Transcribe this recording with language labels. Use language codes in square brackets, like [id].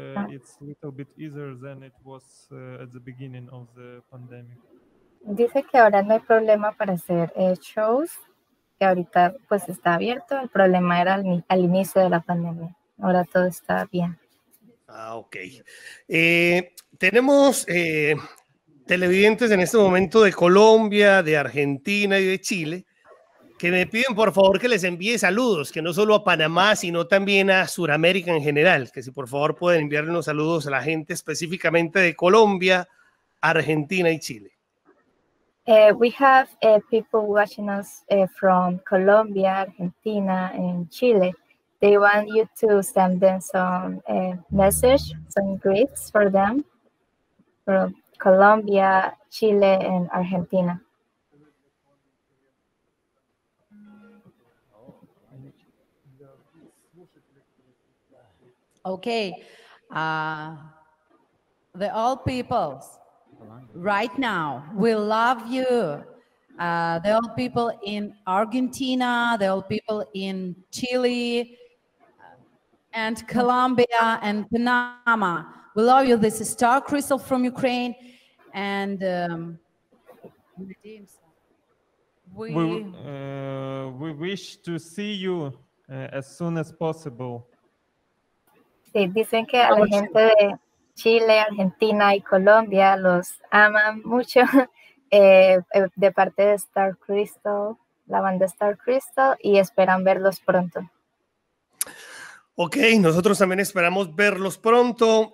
[en] It's a little bit easier than it was at the beginning of the pandemic. [es] Dice que ahora no hay problema para hacer shows, que ahorita pues está abierto. El problema era al inicio de la pandemia. Ahora todo está bien. Ah, okay. Tenemos... televidentes en este momento de Colombia, de Argentina y de Chile, que me piden por favor que les envíe saludos, que no solo a Panamá, sino también a Sudamérica en general, que si por favor pueden enviarle unos saludos a la gente específicamente de Colombia, Argentina y Chile. [en] We have people watching us from Colombia, Argentina and Chile. They want you to send them some message, some greets for them. Colombia, Chile, and Argentina. Okay. The old peoples, right now, we love you. The old people in Argentina, the old people in Chile, and Colombia and Panama. We love you. This is Star Crystal from Ukraine. And we wish to see you as soon as possible. [es] Sí, dicen que a la gente de Chile, Argentina y Colombia los aman mucho de parte de Star Crystal, la banda Star Crystal, y esperan verlos pronto. Ok, nosotros también esperamos verlos pronto.